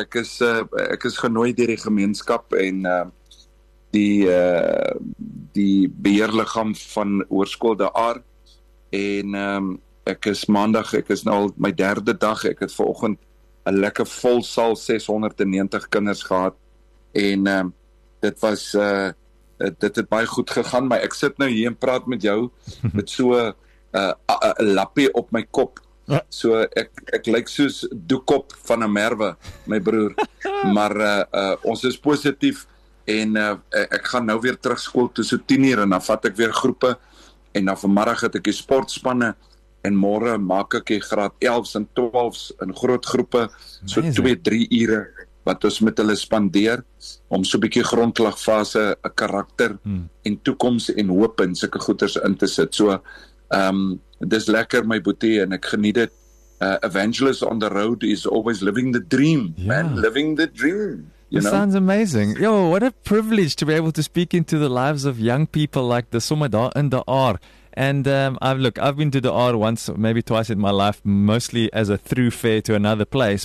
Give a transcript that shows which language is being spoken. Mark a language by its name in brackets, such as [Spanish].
[Afrikaans] Ek is genooi deur die gemeenskap en die beheerliggaam van Hoërskool De Aar. En ek is nou al my derde dag. Ek het vanoggend 'n lekker vol saal 690 kinders gehad. En dit was dit het baie goed gegaan, maar ek sit nou hier en praat met jou met so 'n lappie op my kop. So ek lyk soos Doekop van 'n Merwe, my broer. Maar ons is positief en ek gaan nou weer terug skool tussen 10:00 en dan vat ek weer groepe en dan vanmiddag het ek die sportspanne en môre maak ek die graad 11s en 12s in groot groepe. Amazing. So 2-3 ure wat ons met hulle spandeer om so 'n bietjie grondslagfase, 'n karakter en toekoms en hoop en sulke goeders in te sit. So dis lekker my boetie en ek geniet dit. [English] Evangelist on the road is always living the dream, yeah. Man, living the dream. That sounds amazing. Yo, what a privilege to be able to speak into the lives of young people like the Somada and the R. And I've been to the R once, maybe twice in my life, mostly as a through fare to another place.